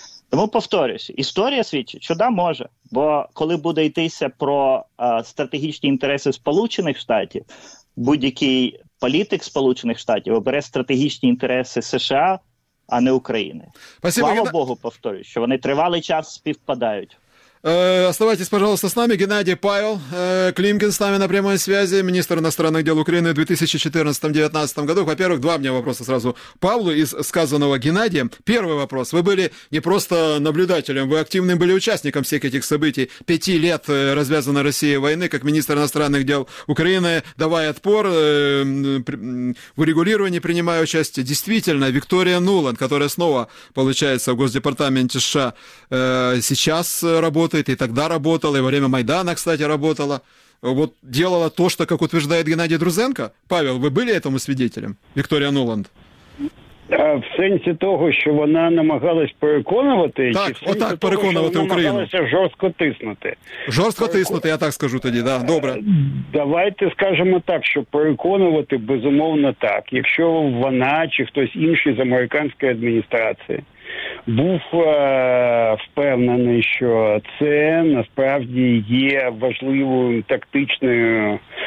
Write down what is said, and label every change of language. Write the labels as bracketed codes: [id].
[uk] Тому повторюсь, історія свідчить, що да, може. Бо коли буде йтися про стратегічні інтереси Сполучених Штатів, будь-який політик Сполучених Штатів обере стратегічні інтереси США, а не України. [ru] Спасибо, [uk] слава Богу, повторюю, що вони тривалий час співпадають. [ru] Оставайтесь, пожалуйста, с нами. Геннадий Павел Климкин с нами на прямой связи, министр иностранных дел Украины в 2014-2019 году. Во-первых, 2 мне вопроса сразу Павлу из сказанного Геннадием. Первый вопрос. Вы были не просто наблюдателем, вы активным были участником всех этих событий. 5 лет развязанной Россией войны, как министр иностранных дел Украины, давая отпор, в урегулировании принимая участие. Действительно, Виктория Нуланд, которая снова получается в Госдепартаменте США, сейчас работает, и тогда работала, и во время Майдана, кстати, работала. Вот делала то, что, как утверждает Геннадий Друзенко. Павел, вы были этому свидетелем? Виктория Нуланд. [uk] А в сенсі того, що вона намагалась переконувати, так, чи в сенсі так, того, що вона Україну. Намагалася жорстко тиснути? Жорстко тиснути, я так скажу тоді, да, добре. Давайте скажемо так, що переконувати безумовно так. Якщо вона чи хтось інший з американської адміністрації був впевнений, що це насправді є важливою тактичною